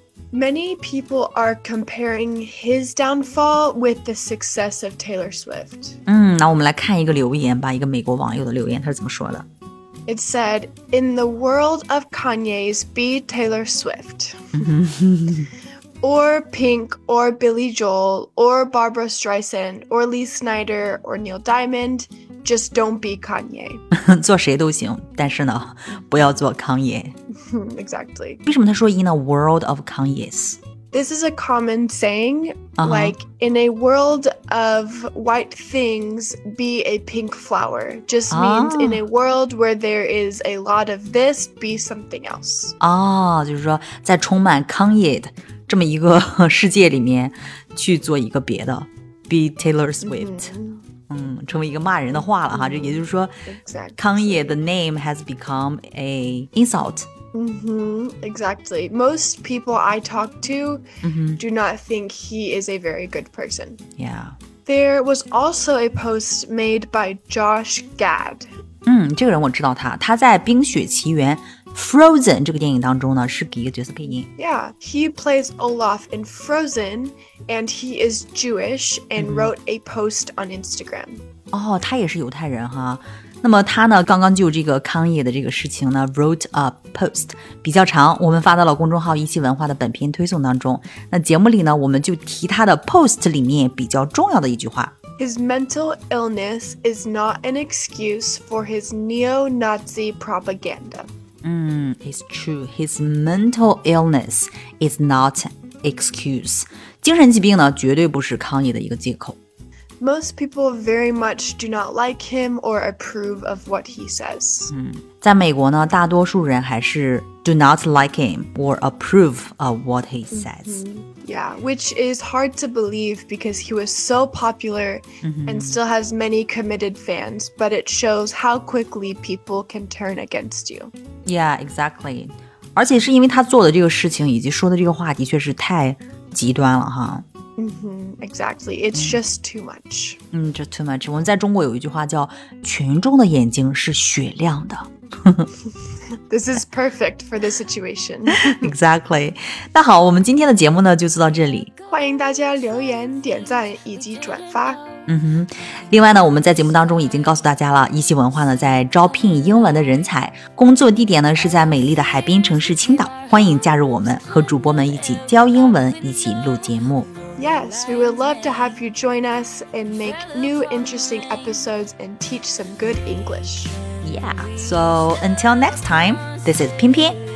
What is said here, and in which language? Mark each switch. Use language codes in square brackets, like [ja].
[en] Many people are comparing his downfall with the success of Taylor Swift. [zh] 那我们来看一个留言吧，一个美国网友的留言，他是怎么说的？ [en] It said, in the world of Kanye's, be Taylor Swift. or Pink, or Billy Joel, or Barbara Streisand, or Lee Snyder, or Neil Diamond, just don't be Kanye. [zh] 做谁都行，但是呢，不要做康爷。 [en] Exactly. [zh] 为什么他说 [en] in a world of Kanye's? This is a common saying, like in a world of white things, be a pink flower. Just means in a world where there is a lot of this, be something else. [zh] 就是说在充满 Kanye 的这么一个世界里面去做一个别的 [en] be Taylor Swift. [zh] 成为一个骂人的话了哈，这也就是说 [en] Kanye the name has become a insult. Exactly. Most people I talk to do not think he is a very good person. Yeah. There was also a post made by Josh Gad. [zh] 这个人我知道他，他在《冰雪奇缘》Frozen 这个电影当中呢是给一个角色配音。 [en] Yeah, he plays Olaf in Frozen and he is Jewish and wrote a post on Instagram. [zh] 他也是犹太人哈。那么他呢刚刚就这个康也的这个事情呢 [en] wrote a post, [zh] 比较长，我们发到了公众号一席文化的本篇推送当中。那节目里呢我们就提他的 post 里面比较重要的一句话。 [en] His mental illness is not an excuse for his neo-Nazi propaganda. It's true. His mental illness is not an excuse. [zh] 精神疾病呢，绝对不是康也的一个借口。 [en] Most people very much do not like him or approve of what he says. [zh] 在美国呢，大多数人还是 [en] do not like him or approve of what he says. Yeah, which is hard to believe because he was so popular and still has many committed fans, but it shows how quickly people can turn against you. Yeah, exactly. [zh] 而且是因为他做的这个事情以及说的这个话的确是太极端了哈。 [en] Exactly. It's just too much. Just too much. [zh] 我们在中国有一句话叫群众的眼睛是雪亮的。 [en] This is perfect for this situation. Exactly. [zh] 那好，我们今天的节目呢就做到这里。欢迎大家留言、点赞以及转发。另外呢我们在节目当中已经告诉大家了一席文化呢在招聘英文的人才工作地点呢是在美丽的海滨城市青岛欢迎加入我们和主播们一起教英文一起录节目 [en] Yes, we would love to have you join us and make new interesting episodes and teach some good English. Yeah, so until next time, this is Pimpin.